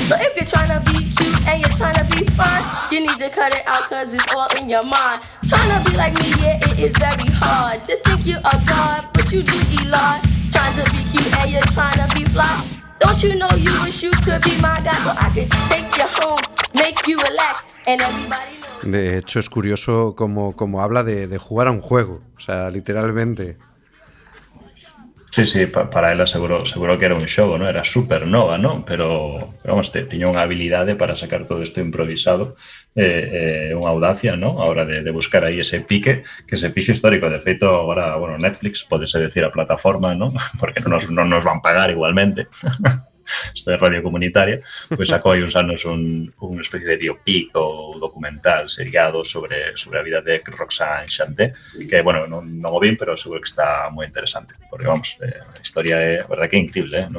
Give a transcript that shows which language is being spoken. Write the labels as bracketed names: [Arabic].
[English] So if you're trying to be cute and you're trying to be fine, you need to cut it out, cause it's all in your mind. Trying to be like me, yeah, it is very hard to think you are God, but you do eat lot. Trying to be cute and you're trying to be fly. Don't you know you wish you could be my guy so I could take you home, make you relax, and everybody. [Spanish] De hecho, es curioso como habla de jugar a un juego, o sea, literalmente. [Galician] Sí, sí, para ela seguro que era un xogo, ¿no? Era super nova, ¿no? Pero vamos, tiña unha habilidade para sacar todo isto improvisado, unha audacia, ¿no? A hora de buscar aí ese pique, que ese fixo histórico. De feito, agora, bueno, Netflix, podese decir a plataforma, ¿no? Porque non nos van pagar igualmente. Esta é radio comunitaria, pois sacou aí uns anos unha especie de biopic ou documental seriado sobre a vida de Roxanne Shanté, que, bueno, non o vin, pero seguro que está moi interesante, porque, vamos, a historia é, a verdade, que é increíble, ¿eh?